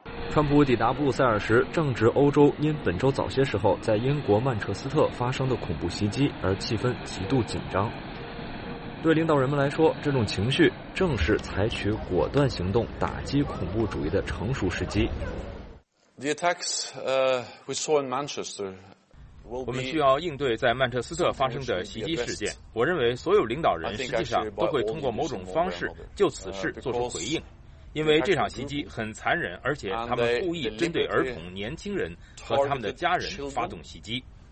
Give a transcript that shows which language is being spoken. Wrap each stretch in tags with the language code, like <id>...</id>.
<zh>川普抵达布鲁塞尔时，正值欧洲因本周早些时候在英国曼彻斯特发生的恐怖袭击而气氛极度紧张。对领导人们来说，这种情绪正是采取果断行动打击恐怖主义的成熟时机。</zh> <en>The attacks, we saw in Manchester.</en> <zh>我们需要应对在曼彻斯特发生的袭击事件。我认为所有领导人实际上都会通过某种方式就此事做出回应，因为这场袭击很残忍，而且他们故意针对儿童、年轻人和他们的家人发动袭击。</zh>